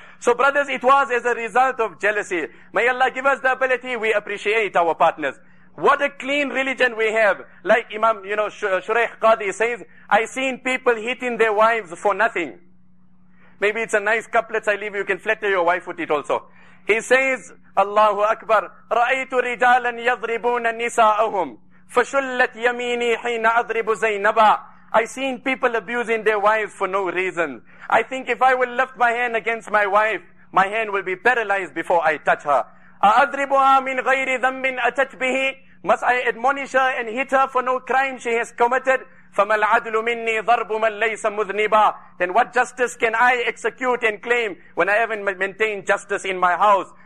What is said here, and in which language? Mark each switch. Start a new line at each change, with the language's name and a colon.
English: So brothers, it was as a result of jealousy. May Allah give us the ability, we appreciate our partners. What a clean religion we have. Like Imam, you know, Shuraykh Qadi says, I seen people hitting their wives for nothing. Maybe it's a nice couplet I leave you, can flatter your wife with it also. He says, Allahu Akbar,
Arabic: رَأَيْتُ رِجَالًا يَضْرِبُونَ نِسَاءَهُمْ فَشُلَّتْ يَمِينِي حِينَ أَضْرِبُ زَيْنَبَا.
English: I seen people abusing their wives for no reason. I think if I will lift my hand against my wife, my hand will be paralyzed before I touch her.
Arabic: أَضْرِبُهَا مِنْ غَيْرِ ذَنْبٍ أَتَتْ بِهِ
English: Must I admonish her and hit her for no crime she has committed?
Arabic: فَمَا الْعَدْلُ مِنِّي ضَرْبُ مَنْ لَيْسَ مُذْنِبًا
English: Then what justice can I execute and claim when I haven't maintained justice in my house?